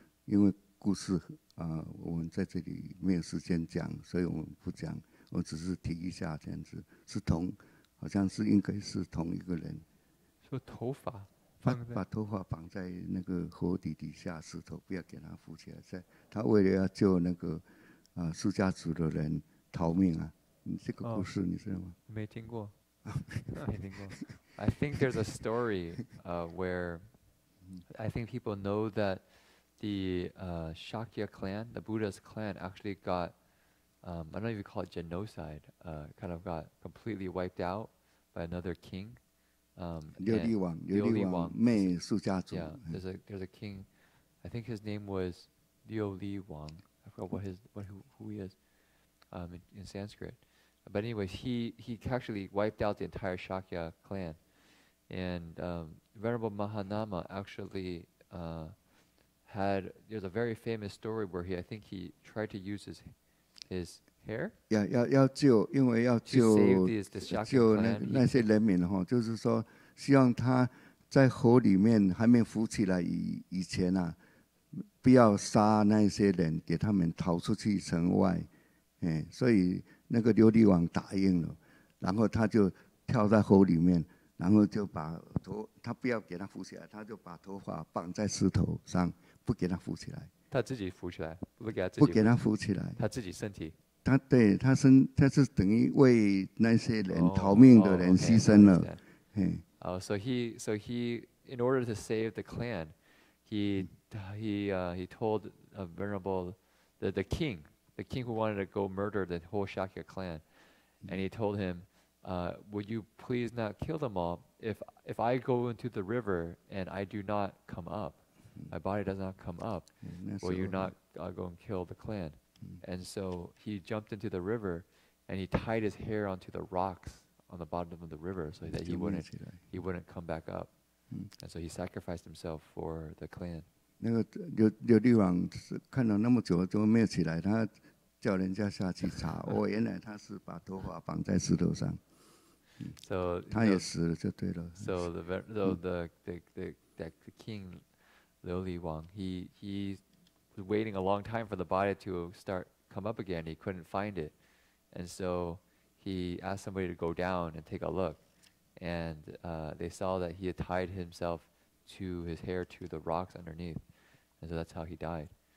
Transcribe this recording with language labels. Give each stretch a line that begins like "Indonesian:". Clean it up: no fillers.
Chinese: 因为故事啊、我们在这里没有时间讲，所以我们不讲，我只是提一下这样子，是同，好像是应该是同一个人。说头发。把头发绑在那个河底底下石头，不要给他浮起来。在他为了要救那个啊释迦族的人逃命啊，你这个故事、哦、你知道吗？没听过，没听过。
English: I think there's a story where I think people know that the Shakya clan, the Buddha's clan, actually got I don't even call it genocide, kind of got completely wiped out by another king. There's a king, I think his name was Liu Li Wang. I forgot who he is in Sanskrit. But anyways, he actually wiped out the entire Shakya clan. And Venerable Mahanama actually there's a very famous story where he tried to use his hair?
Chinese: Yeah, 要救，因为要救,
English: to save the Shakya clan.
Chinese: 那些人民哈，就是说希望他在河里面还没浮起来以前啊，不要杀那些人，给他们逃出去城外。所以那个琉璃王答应了，然后他就跳在河里面，然后就把头，他不要给他浮起来，他就把头发绑在石头上，不给他浮起来。他自己浮起来，不给他自己浮起来。不给他浮起来。他自己身体。他对他身，他是等于为那些人逃命的人牺牲了。
English: So he, in order to save the clan, he told a venerable, the king who wanted to go murder the whole Shakya clan, and he told him, would you please not kill them all? If I go into the river and I do not come up, my body does not come up, will you not go and kill the clan? And so he jumped into the river, and he tied his hair onto the rocks. On the bottom of the river, so that he wouldn't come back up, and so he sacrificed himself for the clan.
Chinese: 那个刘帝王看了那么久都没有起来，他叫人家下去查。哦，原来他是把头发绑在石头上。
English: So
Chinese: 他也死了，就对了。
English: So the king, Liu Li Wang, he was waiting a long time for the body to start come up again. He couldn't find it, and so. He asked somebody to go down and take a look, and they saw that he had tied himself to his hair to the rocks underneath, and so that's how he died.